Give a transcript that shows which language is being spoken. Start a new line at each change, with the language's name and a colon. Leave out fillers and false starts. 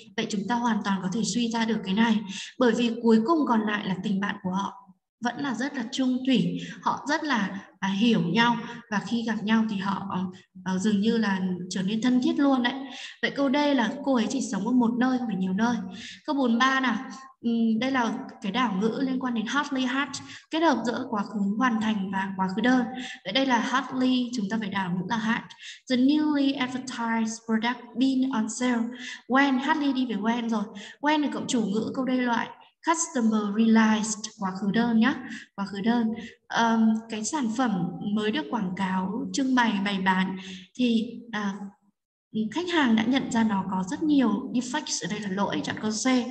Vietnamese: Vậy chúng ta hoàn toàn có thể suy ra được cái này, bởi vì cuối cùng còn lại là tình bạn của họ vẫn là rất là chung thủy, họ rất là hiểu nhau và khi gặp nhau thì họ dường như là trở nên thân thiết luôn đấy. Vậy câu D là cô ấy chỉ sống ở một nơi không phải nhiều nơi. Câu 43 nào, đây là cái đảo ngữ liên quan đến hardly hard kết hợp giữa quá khứ hoàn thành và quá khứ đơn. Vậy đây là hardly chúng ta phải đảo ngữ là hard.
English: The newly advertised product been on sale when hardly
Vietnamese: đi về
English: when rồi.
Vietnamese: When là cộng chủ ngữ câu D loại.
English: Customer realized
Vietnamese: quá khứ đơn nhé, quá khứ đơn. Cái sản phẩm mới được quảng cáo trưng bày bày bán thì khách hàng đã nhận ra nó có rất nhiều defects ở đây là lỗi, chọn câu C.